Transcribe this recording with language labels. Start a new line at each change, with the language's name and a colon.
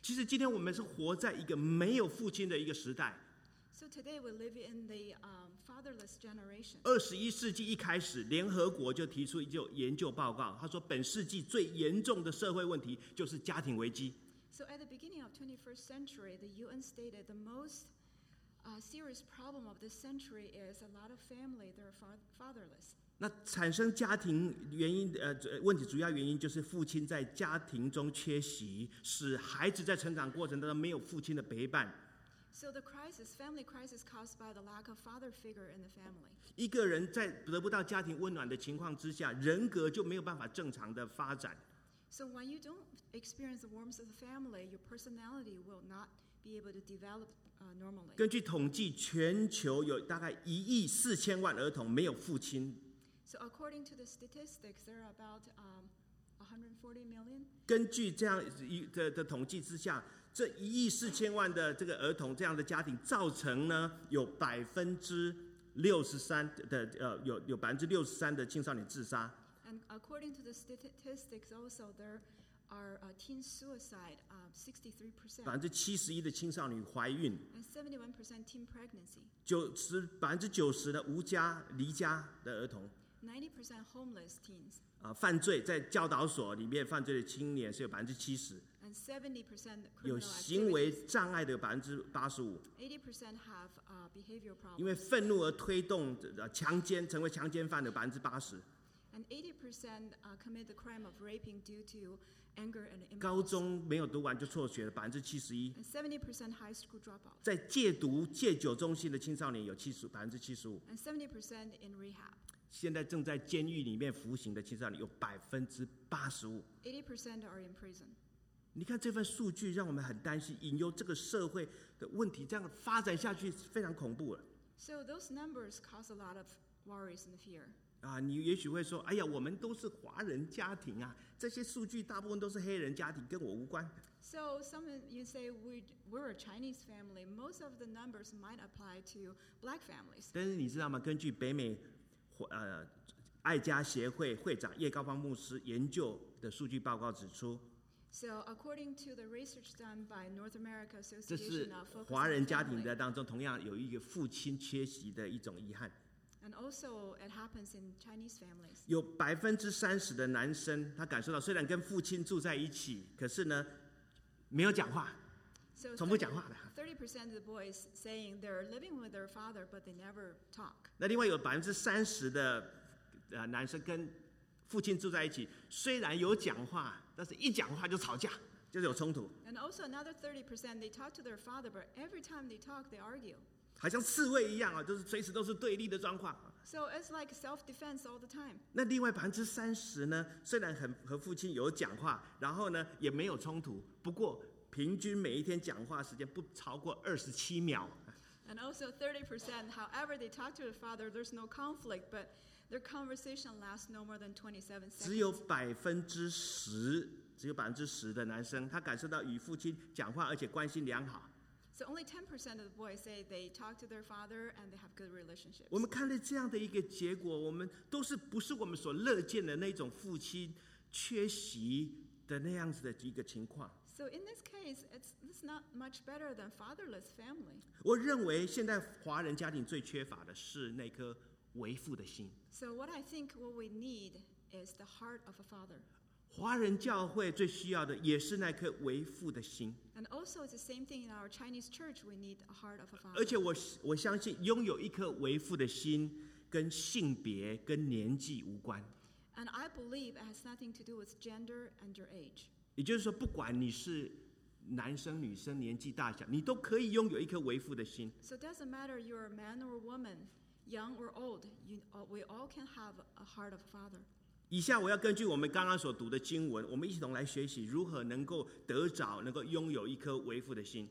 Chinese: 其实今天我们是活在一个没有父亲的一个时代。
English: So today we live in the fatherless generation.
Chinese: 21世纪一开始，联合国就提出一个研究报告，他说本世纪最严重的社会问题就是家庭危机。
English: So at the beginning of 21st century, the UN stated the most serious problem of this century is a lot of family that are fatherless.
Chinese: 那产生家庭原因问题主要原因就是父亲在家庭中缺席，使孩子在成长过程当中没有父亲的陪伴。
English: So the crisis, family crisis caused by the lack of father figure in the family.
Chinese: 一个人在得不到家庭温暖的情况之下，人格就没有办法正常的发展。
English: So when you don't experience the warmth of the family, your personality will not be able to develop normally.
Chinese: 根据统计，全球有大概1.4亿儿童没有父亲。
English: So according to the statistics, there are about 140 million.
Chinese: 根据这样的统计之下，这一亿四千万的这个儿童这样的家庭，造成呢有63%的有63%的青少年自杀。
English: And according to the statistics, also there are teen suicide, 63%.
Chinese: 71%的青少年怀孕。
English: And 71% teen pregnancy.
Chinese: 90%的无家离家的儿童。
English: 90% homeless teens.
Chinese: 犯罪在教导所里面犯罪的青年是有70%。
English: And 70% criminal activity.
Chinese: 有行为障碍的85%。
English: 80% have behavioral problems.
Chinese: 因为愤怒而推动强奸成为强奸犯的80%。
English: And 80% commit the crime of raping due to anger and impulse.
Chinese: 高中没有读完就辍学了71%。
English: And 70% high school dropout.
Chinese: 在戒毒戒酒中心的青少年有75%。
English: And 70% in rehab.
Chinese: 现在正在监狱里面服刑的青少年有85%。
English: 80% are in prison.
Chinese: 你看这份数据让我们很担心，引诱这个社会的问题这样发展下去是非常恐怖的。
English: So those numbers cause a lot of worries and fear.
Chinese: 你也许会说，哎呀，我们都是华人家庭啊，这些数据大部分都是黑人家庭，跟我无关。
English: So some you say we're a Chinese family. Most of the numbers might apply to black families.
Chinese: 但是你知道吗？根据北美爱家协会会长叶高芳牧师研究的数据报告指出，
English: So according to the research done by North America Association,
Chinese: 这是华人家庭的当中同样有一个父亲缺席的一种遗憾。
English: And also it happens in Chinese families.
Chinese: 有30%的男生他感受到虽然跟父亲住在一起，可是呢没有讲话，从不讲话的。
English: 30% of the boys saying they're living with their father, but they never talk.
Chinese: 那另外有30%的男生跟父亲住在一起，虽然有讲话，但是一讲话就吵架，就是有冲突。
English: And also another 30% they talk to their father, but every time they talk, they argue.
Chinese: 好像刺猬一样啊，就是随时都是对立的状况。
English: So it's like self-defense all the time.
Chinese: 那另外30%呢？虽然很和父亲有讲话，然后呢也没有冲突，不过平均每一天讲话时间不超过27秒。
English: And also 30%, however, they talk to their father, there's no conflict, but their conversation lasts no more than 27 seconds.
Chinese: 只有10%的男生，他感受到与父亲讲话而且关系良好。
English: So only 10% of the boys say they talk to their father and they have good relationships.
Chinese: 我们看了这样的一个结果，我们都是不是我们所乐见的那种父亲缺席的那样子的一个情况。
English: So in this case, it's not much better than fatherless family.
Chinese: 我认为现在华人家庭最缺乏的是那颗为父的心。
English: So what I think what we need is the heart of a father.
Chinese: 华人教会最需要的也是那颗为父的心。
English: And also it's the same thing in our Chinese church, we need a heart of a father.
Chinese: 而且我相信拥有一颗为父的心跟性别跟年纪无关。
English: And I believe it has nothing to do with gender and your age.
Chinese: 也就是说，不管你是男生、女生、年纪大小，你都可以拥有一颗为父的心。
English: So it doesn't matter you're a man or a woman, young or old, we all can have a heart of a father.
Chinese: 以下我要根据我们刚刚所读的经文，我们一起同来学习如何能够得着、能够拥有一颗为父的心。